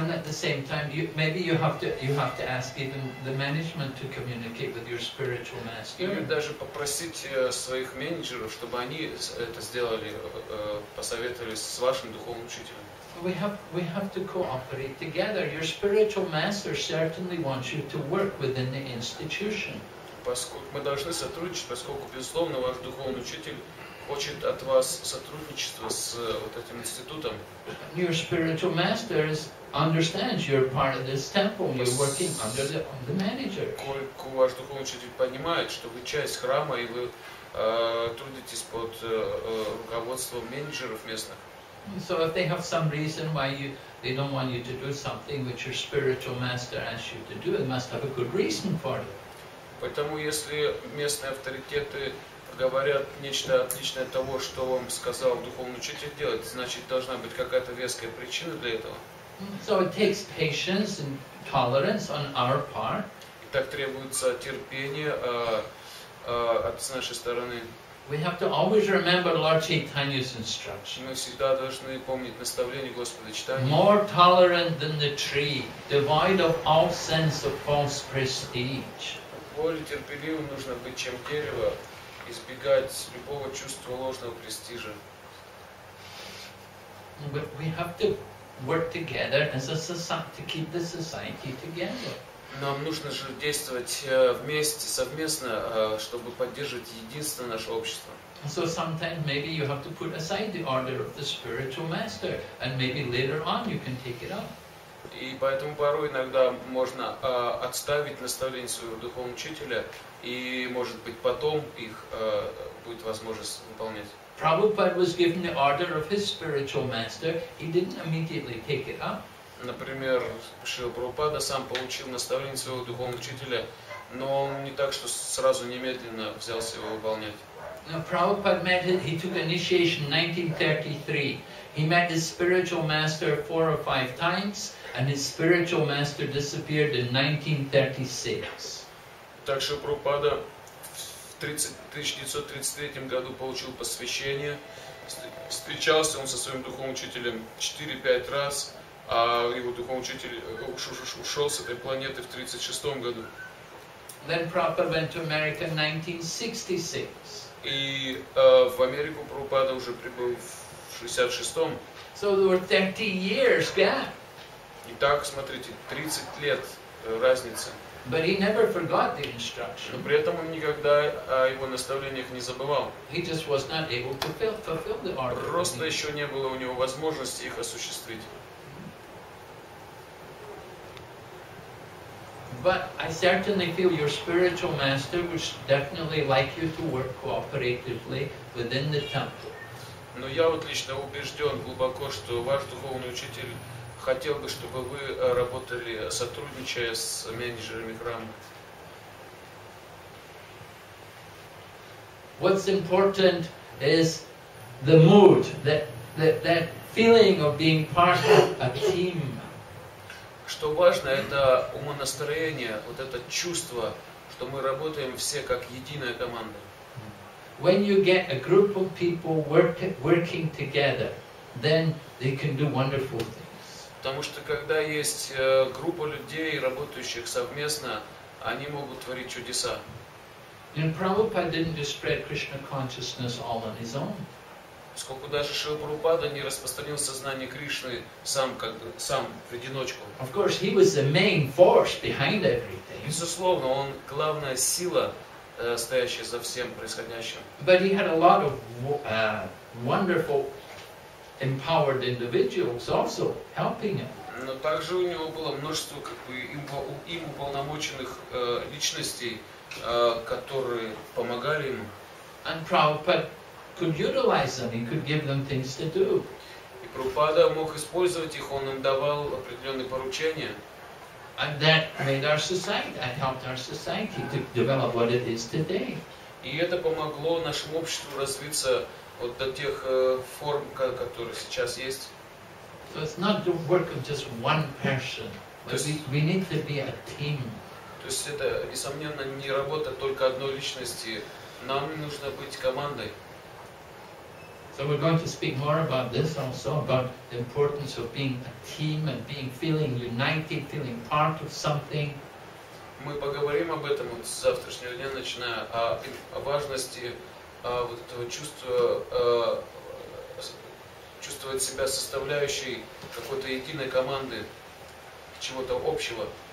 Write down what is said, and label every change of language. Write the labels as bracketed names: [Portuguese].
[English] And at the same time, you have to ask even the management to communicate with your spiritual master. [Russian] Или даже попросить своих менеджеров, чтобы они это сделали, посоветовались с вашим духовным учителем. [English] We have to cooperate together. Your spiritual master certainly wants you to work within the institution. [Russian] Поскольку мы должны сотрудничать, поскольку безусловно ваш духовный учитель хочет от вас сотрудничество с вот этим институтом. [English] Your spiritual master understands you're part of this temple. You're working under the manager. [Russian] Поскольку ваш духовный учитель понимает, что вы часть храма и вы трудитесь под руководством менеджеров местных. [English] So if they have some reason why they don't want you to do something which your spiritual master asks you to do, it must have a good reason for it. [Russian] Поэтому если местные авторитеты говорят нечто отличное от того, что вам сказал духовный учитель делать, значит, должна быть какая-то веская причина для этого. [English] So it takes patience and tolerance on our part. [Russian] И так требуется терпение от с нашей стороны. [English] We have to always remember Lord Chaitanya's instruction. [Russian] Мы всегда должны помнить наставление Господа Чайтаньи. [English] More tolerant than the tree, devoid of all sense of false prestige. [Russian] Более терпеливым нужно быть, чем дерево. Избегать любого чувства ложного престижа. [English] We have to work together as a society to keep the society together. [Russian] Нам нужно же действовать вместе, совместно, чтобы поддерживать единство нашего общества. [English] So sometimes maybe you have to put aside the order of the spiritual master, and maybe later on you can take it up. [Russian] И поэтому порой иногда можно отставить наставление своего духовного учителя, и, может быть, потом их будет возможность выполнять. [English] Prabhupada was given the order of his spiritual master. He didn't immediately take it up. [Russian] Например, Шрила Прабхупада сам получил наставление своего духовного учителя, но он не так, что сразу немедленно взялся его выполнять. [English] Now, Prabhupada met it, he took initiation in 1933. He met his spiritual master 4 or 5 times, and his spiritual master disappeared in 1936. [Russian] Так что Прабхупада в 1933 году получил посвящение, встречался он со своим духовным учителем 4-5 раз, а его духовный учитель ушел с этой планеты в 1936 году. [English] Then Prabhupada went to America in 1966. [Russian] И в Америку Прабхупада уже прибыл в 1966. [English] So there were 30 years gap. [Russian] Итак, смотрите, 30 лет разница. [English] But he never forgot the instruction. [Russian] Но при этом он никогда о его наставлениях не забывал. [English] He just was not able to fulfill the order. [Russian] Просто еще не было у него возможности их осуществить. [English] But I certainly feel your spiritual master would definitely like you to work cooperatively within the temple. [Russian] Но я вот лично убежден глубоко, что ваш духовный учитель хотел бы, чтобы вы работали, сотрудничая с менеджерами храма. [English] What's important is the mood, that feeling of being part of a team. [Russian] Что важно, это умонастроение, вот это чувство, что мы работаем все как единая команда. [English] When you get a group of people working together, then they can do wonderful things. [Russian] Потому что когда есть группа людей, работающих совместно, они могут творить чудеса. [English] And Prabhupada didn't just spread Krishna consciousness all on his own. [Russian] Сколько даже Шрила Прабхупада не распространил сознание Кришны сам в одиночку. [English] Of course, he was the main force behind everything. [Russian] Безусловно, он главная сила, стоящая за всем происходящим. [English] But he had a lot of wonderful empowered individuals also helping him. [Russian] Но также у него было множество как бы им уполномоченных личностей, которые помогали ему. [English] And Prabhupada could utilize them. He could give them things to do. [Russian] И Прабхупада мог использовать их, он им давал определенные поручения. [English] And that made our society, that helped our society to develop what it is today. [Russian] И это помогло нашему обществу развиться вот до тех форм, которые сейчас есть. [English] So it's not the work of just one person. We need to be a team. [Russian] То есть это, несомненно, не работа только одной личности. Нам нужно быть командой. [English] So we're going to speak more about this also, about the importance of being a team and being feeling united, feeling part of something. [Russian] Мы поговорим об этом вот с завтрашнего дня, начиная о важности вот этого чувства. Чувствовать себя составляющей какой-то единой команды, чего-то общего.